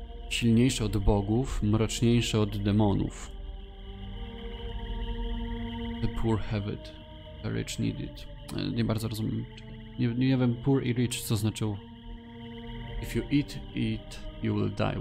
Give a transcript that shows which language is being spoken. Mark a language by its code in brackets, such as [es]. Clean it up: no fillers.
[pl] Silniejsze od bogów, mroczniejsze od demonów. [en] The poor have it, the rich need it. [pl] Nie bardzo rozumiem. Nie wiem, poor i rich, co znaczyło. [en] If you eat it, you will die.